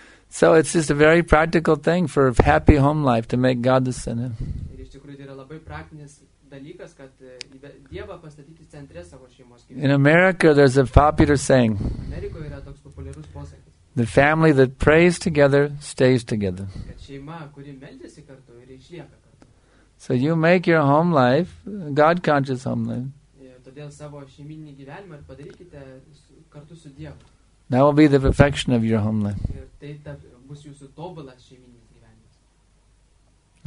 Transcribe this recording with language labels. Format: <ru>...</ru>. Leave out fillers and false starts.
<en>So it's just a very practical thing for a happy home life to make God the center.</en> <lt>Ir iš tikrųjų yra labai praktinis dalykas, kad Dievą pastatyti centre savo šeimos gyvenime.</lt> <en>In America there's a popular saying.</en> <lt>Amerikoje yra toks populiarus posakis.</lt> <en>The family that prays together stays together.</en> <lt>Kad šeima, kuri meldžiasi kartu ir išlieka kartu.</lt> <en>So you make your home life God conscious home life.</en> <lt>Todėl savo šeimininį gyvenimą ir padarykite kartu su Dievu.</lt> <en>That will be the perfection of your home life.</en> <lt>Ir tai bus jūsų tobulas šeimininis gyvenimas.</lt>